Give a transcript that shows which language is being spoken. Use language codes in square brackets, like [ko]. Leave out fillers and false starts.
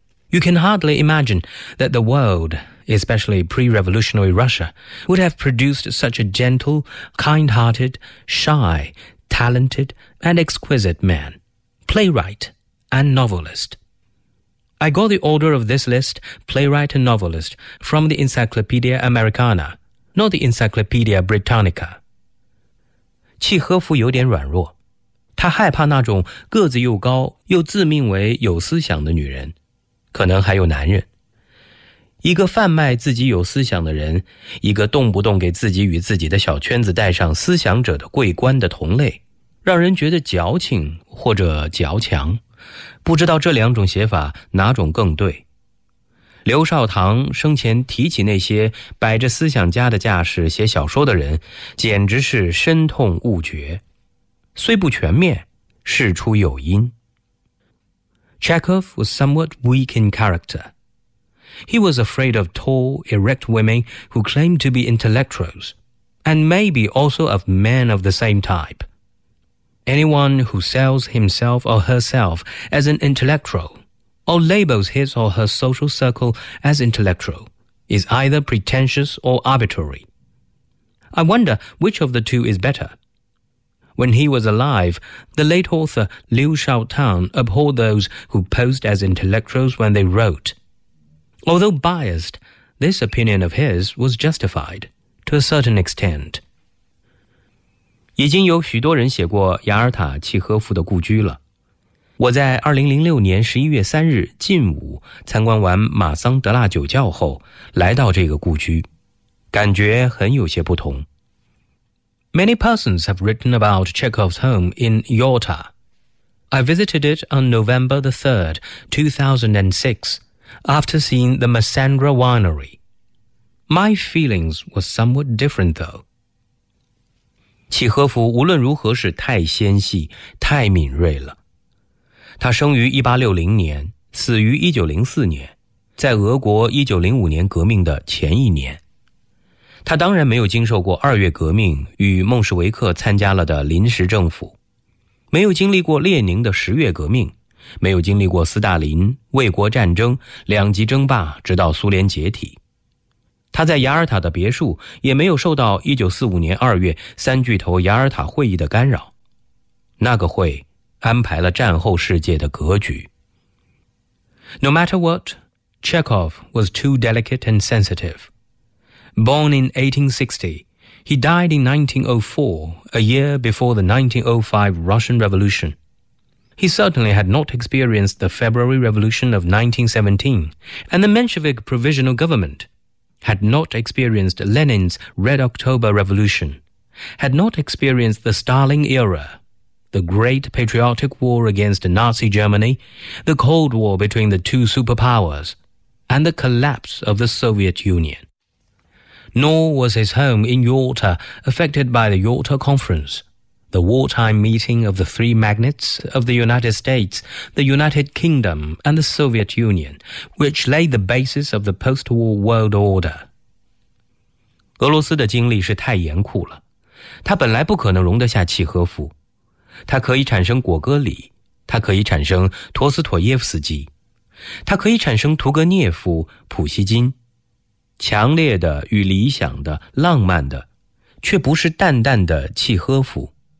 [en] You can hardly imagine that the world, especially pre-revolutionary Russia, would have produced such a gentle, kind-hearted, shy, talented, and exquisite man, playwright and novelist. I got the order of this list, playwright and novelist, from the Encyclopedia Americana, not the Encyclopedia Britannica. [zh] 契诃夫有点软弱，他害怕那种个子又高又自命为有思想的女人，可能还有男人。一个贩卖自己有思想的人，一个动不动给自己与自己的小圈子戴上思想者的桂冠的同类，让人觉得矫情或者矫强，不知道这两种写法哪种更对。刘少棠生前提起那些摆着思想家的架势写小说的人，简直是深痛勿绝，虽不全面，事出有因。 [en] Chekhov was somewhat weak in character. He was afraid of tall, erect women who claimed to be intellectuals, and maybe also of men of the same type. Anyone who sells himself or herself as an intellectual, or labels his or her social circle as intellectual, is either pretentious or arbitrary. I wonder which of the two is better. When he was alive, the late author Liu Shaotang abhorred those who posed as intellectuals when they wrote. Although biased, this opinion of his was justified, to a certain extent. [zh] 已经有许多人写过雅尔塔契诃夫的故居了。我在2006年11月3日近午参观完马桑德纳酒窖后，来到这个故居。感觉很有些不同。 [en] Many persons have written about Chekhov's home in Yalta. I visited it on November the 3rd, 2006, after seeing the Massandra Winery. My feelings were somewhat different, though. [zh] 契诃夫无论如何是太纤细、太敏锐了。他生于1860年，死于1904年，在俄国1905年革命的前一年。他当然没有经受过二月革命与孟什维克参加了的临时政府，没有经历过列宁的十月革命，没有经历过斯大林、卫国战争、两极争霸直到苏联解体。他在雅尔塔的别墅也没有受到1945年2月三巨头雅尔塔会议的干扰。那个会安排了战后世界的格局。 [en] No matter what, Chekhov was too delicate and sensitive. Born in 1860, he died in 1904, a year before the 1905 Russian Revolution. He certainly had not experienced the February Revolution of 1917 and the Menshevik Provisional Government. Had not experienced Lenin's Red October Revolution, had not experienced the Stalin era, the Great Patriotic War against Nazi Germany, the Cold War between the two superpowers, and the collapse of the Soviet Union. Nor was his home in Yalta affected by the Yalta Conference, the wartime meeting of the three magnates of the United States, the United Kingdom, and the Soviet Union, which laid the basis of the post-war world order. [zh] 俄罗斯的经历是太严酷了，他本来不可能容得下契诃夫，他可以产生果戈里，他可以产生陀思妥耶夫斯基，他可以产生屠格涅夫、普希金，强烈的与理想的、浪漫的，却不是淡淡的契诃夫。